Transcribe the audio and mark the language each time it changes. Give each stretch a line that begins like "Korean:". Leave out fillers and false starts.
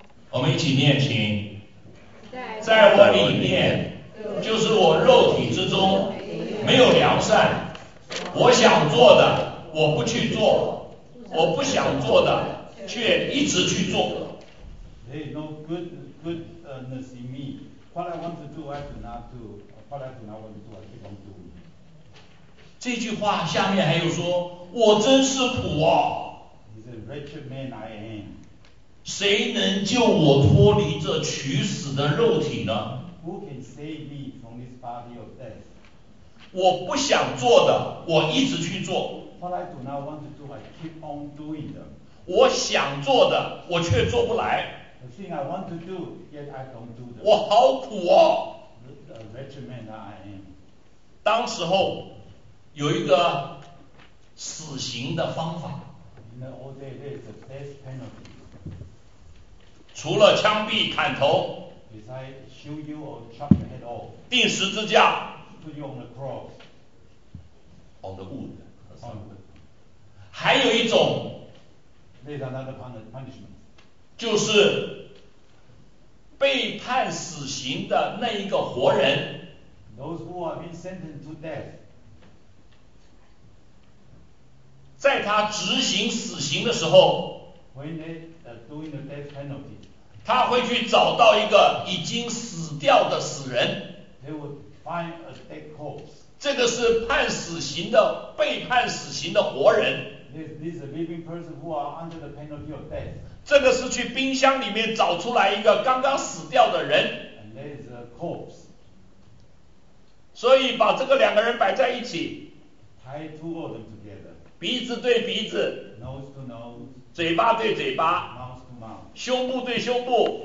Chinese: 我们一起念，请。在我里面，就是我肉体之中，没有良善。我想做的，我不去做；我不想做的，却一直去做。
English: There is no goodness in me. What I want to do, I do not do. What I do not want to do, I keep on doing.
Chinese: 这句话下面还有说，我真是苦啊。
English: He's a wretched man I am.
Chinese: 谁能救我脱离这取死的肉体呢？
English: Who can save me from this body of death?
Chinese: 我不想做的，我一直去做。
English: What I do not want to do, I keep on doing them.
Chinese: 我想做的，我却做不来。
English: The thing I want to do, yet I don't do them.
Chinese: 我好苦哦。
English: The wretched man that I am.
Chinese: 当时候有一个死刑的方法。
English: In the old days, there is a death penalty.
Chinese: 除了枪毙砍头
English: Besides, shoot you or chop your head off,
Chinese: 定十字架
English: put you on the cross, on the wood, on the wood.
Chinese: 还有一种
English: There's another punishment.
Chinese: 就是被判死刑的那一个活人
English: Those who are being sentenced to death.
Chinese: 在他执行死刑的时候
English: When they are doing the death penalty.
Chinese: 他会去找到一个已经死掉的死人。
English: They would find a dead corpse.
Chinese: 这个是判死刑的，被判死刑的活人。
English: This is a living person who are under the penalty of death.
Chinese: 这个是去冰箱里面找出来一个刚刚死掉的人。
English: And there is a corpse.
Chinese: 所以把这个两个人摆在一起。
English: Tie two of them together.
Chinese: 鼻子对鼻子。
English: Nose to nose.
Chinese: 嘴巴对嘴巴。胸部对胸部